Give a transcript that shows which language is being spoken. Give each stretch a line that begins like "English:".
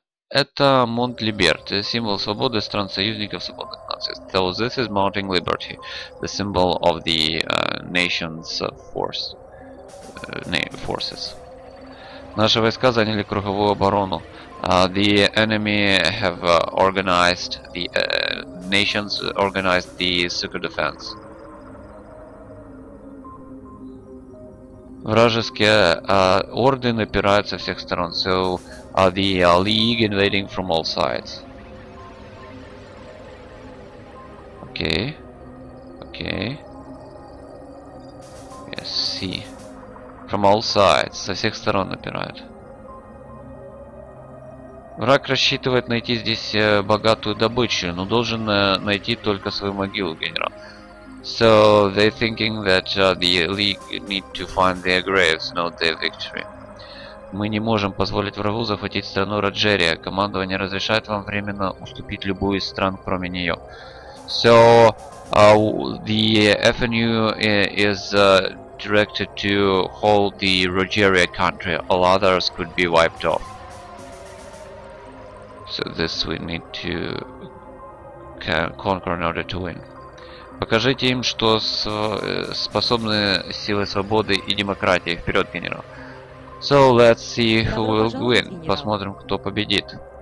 Russian: Это Монт-Либерт, символ свободы стран союзников свободных наций.
English: So this is Mountain Liberty, the symbol of the nation's force. Forces.
Russian: Наши войска заняли круговую оборону.
English: The enemy have organized the nations organized the circle defense.
Russian: Вражеские орды напирают со всех сторон.
English: So the league invading from all sides.
Russian: Окей. Окей.
English: Yes, see. From all sides.
Russian: Со всех сторон напирают. Враг рассчитывает найти здесь богатую добычу, но должен найти только свою могилу, генерал.
English: So they're thinking that the league need to find their graves, not their victory.
Russian: Мы не можем позволить врагу захватить страну Раджерия. Командование разрешает вам временно уступить любую из стран, кроме нее.
English: So the FNU is directed to hold the Rogeria country. All others could be wiped off. So this we need to conquer in order to win.
Russian: Покажите им, что способны силы свободы и демократии. Вперед, генерал.
English: So let's see who will win.
Russian: Посмотрим, кто победит.